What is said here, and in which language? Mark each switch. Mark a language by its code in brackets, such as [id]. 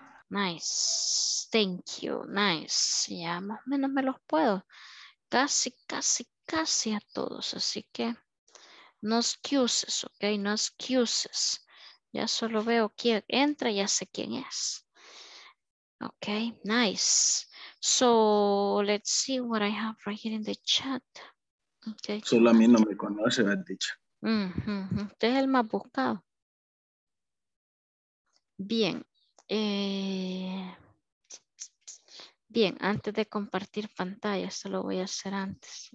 [en] Nice. Thank you. Nice. [es] Ya más o menos me los puedo. Casi, casi, casi a todos. Así que [en] no excuses, ok? No excuses. [es] Ya solo veo quién entra, ya sé quién es. [en] Ok, nice. So, let's see what I have right here in the chat. Okay. [es] Solo a mí no me conoce, me han dicho. Mm-hmm. Usted es el más buscado. Bien. Bien, antes de compartir pantalla, esto lo voy a hacer antes.